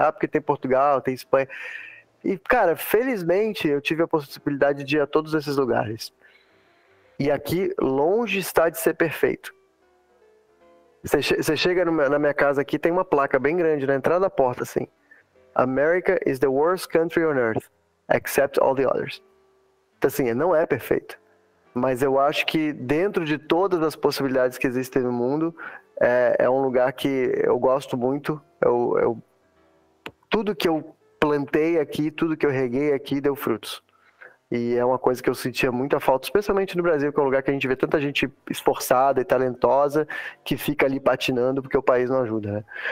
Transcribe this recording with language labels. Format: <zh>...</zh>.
<pt>Ah, porque tem Portugal, tem Espanha. E, cara, felizmente eu tive a possibilidade de ir a todos esses lugares. E aqui, longe está de ser perfeito. Você chega na minha casa aqui, tem uma placa bem grande na entrada da porta, assim.</pt> <en>America is the worst country on earth, except all the others.</en> <pt>Então, assim, não é perfeito. Mas eu acho que dentro de todas as possibilidades que existem no mundo, é um lugar que eu gosto muito. Tudo que eu plantei aqui, tudo que eu reguei aqui, deu frutos. E é uma coisa que eu sentia muita falta, especialmente no Brasil, que é um lugar que a gente vê tanta gente esforçada e talentosa que fica ali patinando porque o país não ajuda, né?</pt>